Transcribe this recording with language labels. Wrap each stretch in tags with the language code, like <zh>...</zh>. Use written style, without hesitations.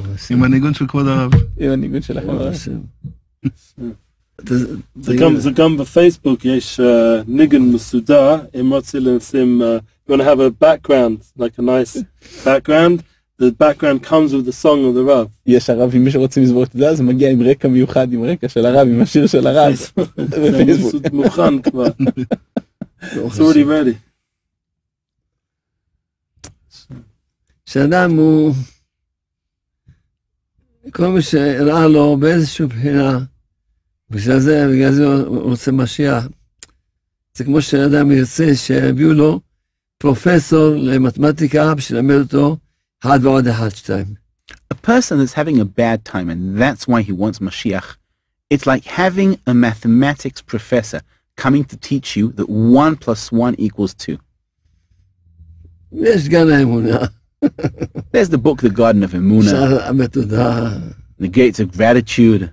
<he>עם הניגון של כבוד הרב. עם הניגון של כבוד הרב. זה גם בפייסבוק יש ניגון מסודר, אם רוצים לשים,</he> <en>you want to have a background, like a nice background, the background comes with the song of the Rav.</en> <he>יש הרב, אם מישהו רוצה לזבור את זה, זה מגיע עם רקע מיוחד, עם רקע של הרב, עם השיר של הרב. זה מסוד מוכן כבר.</he> <en>It's already ready.</en> <he>שאדם הוא... כל מי שרע לו באיזשהו בחינה, בגלל זה הוא רוצה משיח. זה כמו שאדם ירצה שיביאו לו פרופסור למתמטיקה שלמד אותו אחד ועוד אחד, שתיים.</he> <en>A person that's having a bad time and that's why he wants Mashiach, it's like having a mathematics professor coming to teach you that 1+1=2.</en> <he>יש גם האמונה.</he> <en>There's the book, The Garden of Emunah. The Gates of Gratitude.</en>